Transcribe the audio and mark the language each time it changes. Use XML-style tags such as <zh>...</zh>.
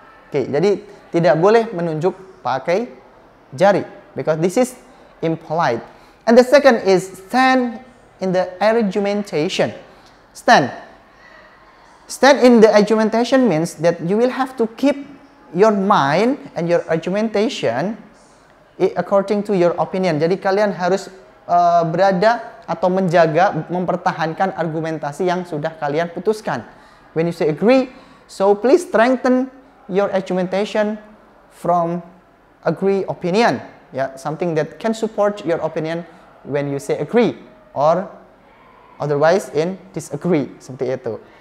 <id>Okay, jadi tidak boleh menunjuk pakai jari</id> <en>because this is impolite. And the second is stand in the argumentation. Stand in the argumentation means that you will have to keep your mind and your argumentation according to your opinion.</en> <id>Jadi kalian harus berada atau menjaga, mempertahankan argumentasi yang sudah kalian putuskan.</id> <en>When you say agree, so please strengthen your argumentation from agree opinion. Yeah, something that can support your opinion when you say agree or otherwise in disagree,</en> <id>seperti itu.</id>